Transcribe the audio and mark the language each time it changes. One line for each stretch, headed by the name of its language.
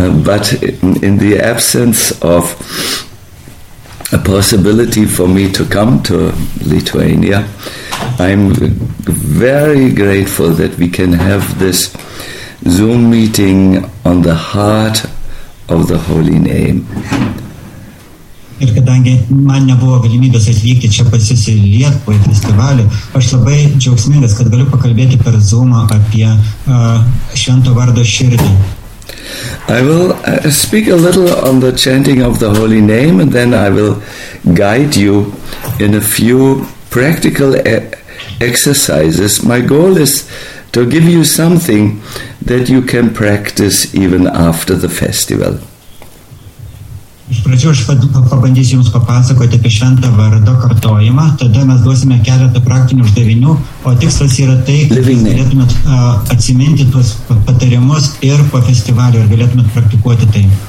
English: But in the absence of a possibility for me to come to Lithuania, I'm very grateful that we can have this Zoom meeting on the heart of the Holy Name.
Lithuanian: Ir kadangi man nebuvo galimybės atvykti čia pas jūs į Lietuvą, į festivalį, aš labai džiaugsmingas, kad galiu pakalbėti per Zoom apie švento vardo širdį.
English: I will speak a little on the chanting of the Holy Name, and then I will guide you in a few practical exercises. My goal is to give you something that you can practice even after the festival.
Lithuanian: Iš pradžių aš pabandysiu jums papasakoti apie šventą vardo kartojimą, tada mes duosime keletą praktinių uždavinių, o tikslas yra tai, kad jūs galėtumėt atsiminti tuos patarimus ir po festivalio ir galėtumėt praktikuoti tai.